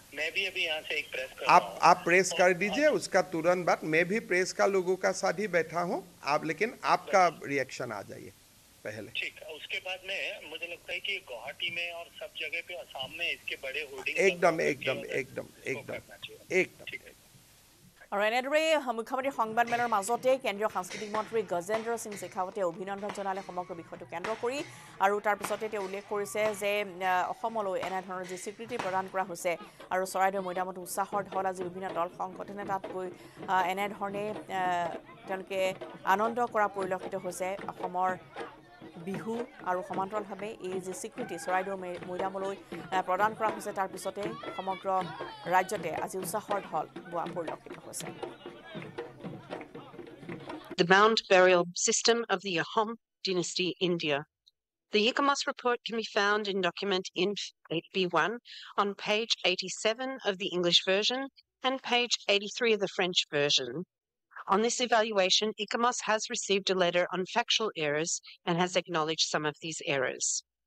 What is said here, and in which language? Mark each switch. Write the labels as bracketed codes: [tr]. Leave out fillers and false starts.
[hi] मैं भी अभी यहाँ से एक प्रेस कर आप प्रेस कर दीजिए, उसका तुरंत बाद मैं भी प्रेस का लोगों का साथ ही बैठा हूँ। आप लेकिन आपका रिएक्शन आ जाइए पहले। ठीक, उसके बाद में मुझे लगता है कि गुवाहाटी में और सब जगह पे असम में इसके बड़े होर्डिंग एकदम एकदम एकदम एकदम एकदम। [as] আৰু এনেদৰে মুখ্যমন্ত্ৰীৰ সংবাদমেলৰ মাজতে কেন্দ্ৰীয় সাংস্কৃতিক মন্ত্ৰী গজেন্দ্ৰ সিং শেখাৱতে অভিনন্দন জনালে সমগ্ৰ বিষয়টো কেন্দ্ৰ কৰি। আৰু তাৰ পিছতে তেওঁ উল্লেখ কৰিছে যে অসমলৈ এনেধৰণৰ যি স্বীকৃতি প্ৰদান কৰা হৈছে আৰু চৰাইদেউ মৈদামত উৎসাহৰ ঢল, আজি বিভিন্ন দল সংগঠনে তাত গৈ এনেধৰণে তেওঁলোকে আনন্দ কৰা পৰিলক্ষিত হৈছে অসমৰ বিহু। আৰু সমান্তৰালভাৱে এই যি স্বীকৃতি চৰাইদেউ মৈদামলৈ প্ৰদান কৰা হৈছে তাৰ পিছতে সমগ্ৰ ৰাজ্যতে আজি উৎসাহৰ ঢল বোৱা পৰিলক্ষিত হৈছে। [en] The mound burial system of the Ahom dynasty India. The Yikamas report can be found in document INF8B1 on page 87 of the English version and page 83 of the French version. On this evaluation, ICOMOS has received a letter on factual errors and has acknowledged some of these errors.